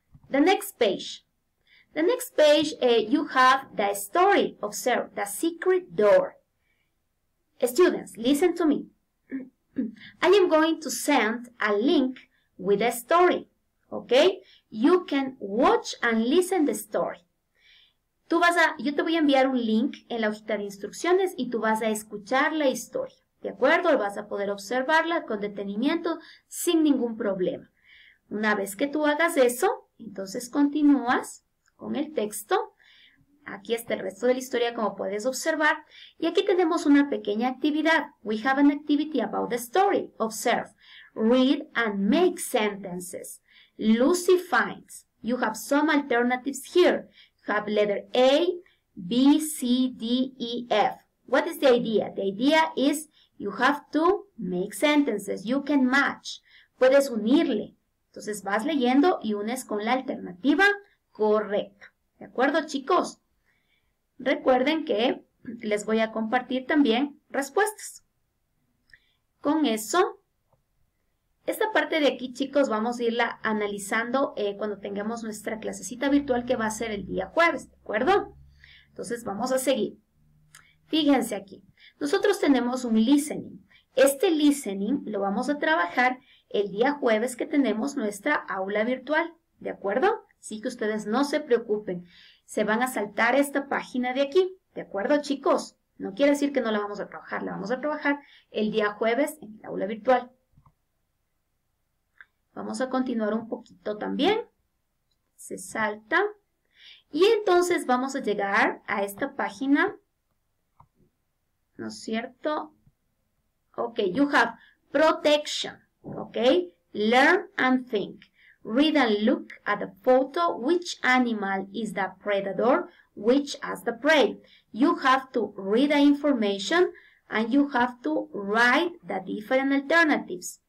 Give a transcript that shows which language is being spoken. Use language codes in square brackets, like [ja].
[en] The next page. The next page, you have the story. Observe, the secret door. Students, listen to me. I am going to send a link with a story. Okay? You can watch and listen the story. [es] Yo te voy a enviar un link en la hojita de instrucciones y tú vas a escuchar la historia, ¿de acuerdo? Vas a poder observarla con detenimiento sin ningún problema. Una vez que tú hagas eso, entonces continúas con el texto. Aquí está el resto de la historia como puedes observar. Y aquí tenemos una pequeña actividad. [en] We have an activity about the story. Observe. Read and make sentences. Lucy finds. You have some alternatives here. Have letter A, B, C, D, E, F. What is the idea? The idea is you have to make sentences. You can match. [es] Puedes unirle. Entonces vas leyendo y unes con la alternativa correcta. ¿De acuerdo, chicos? Recuerden que les voy a compartir también respuestas. Con eso, esta parte de aquí, chicos, vamos a irla analizando cuando tengamos nuestra clasecita virtual que va a ser el día jueves, ¿de acuerdo? Entonces, vamos a seguir. Fíjense aquí. Nosotros tenemos un listening. Este listening lo vamos a trabajar el día jueves que tenemos nuestra aula virtual, ¿de acuerdo? Así que ustedes no se preocupen. Se van a saltar esta página de aquí, ¿de acuerdo, chicos? No quiere decir que no la vamos a trabajar. La vamos a trabajar el día jueves en el aula virtual. Vamos a continuar un poquito también. Se salta. Y entonces vamos a llegar a esta página. ¿No es cierto? [en] Ok, you have protection. Ok, learn and think. Read and look at the photo. Which animal is the predator? Which has the prey? You have to read the information and you have to write the different alternatives.